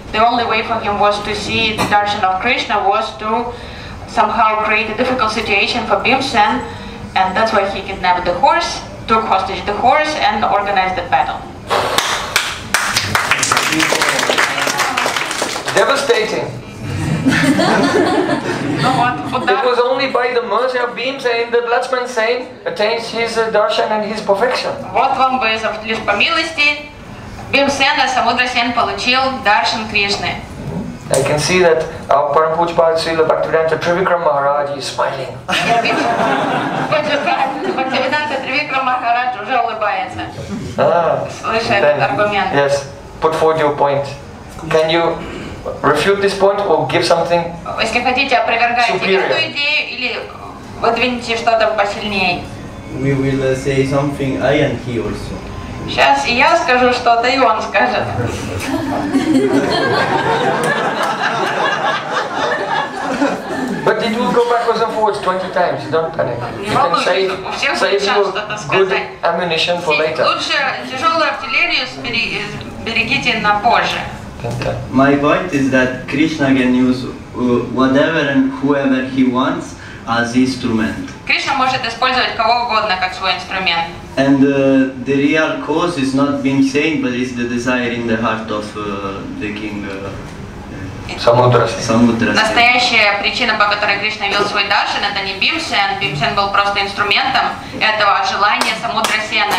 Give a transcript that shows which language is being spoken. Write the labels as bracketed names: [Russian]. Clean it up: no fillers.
[English] The only way for him was to see the darshan of Krishna was to somehow create a difficult situation for Bhimsen, and that's why he kidnapped the horse, took hostage the horse, and organized the battle. Devastating. It was only by the mercy of Bhimsen that Lakshman Sen attained his darshan and his perfection. [Russian] Вот вам вызов, лишь по милости Бхимсен и Самудрасен получил даршан Кришны. [English] I can see that our Parampuja Pada Srila Bhaktivedanta Trivikram Maharaj is smiling. [Russian] Bhaktivedanta Trivikram Maharaj уже улыбается. Слышу этот аргумент. [English] Yes, put forward your point. Can you refute this point or give something superior? [Russian] Если хотите, опровергайте эту идею или выдвинете что-то посильнее. [English] We will say something I and he also. [Russian] Сейчас я скажу что-то, и он скажет. [English] But it will go backwards and forwards 20 times, don't panic. You can save good ammunition for later. [Russian] Лучше тяжелую артиллерию берегите на позже. [English] My point is that Krishna can use whatever and whoever he wants as instrument. [Russian] Krishna может использовать кого угодно как свой инструмент. [English] And the real cause is not being seen, but is the desire in the heart of the king. [Russian] Самудрасен. Настоящая причина, по которой Кришна вел свой даршан, это не Бхимсен. Бхимсен был просто инструментом этого желания Самудрасена.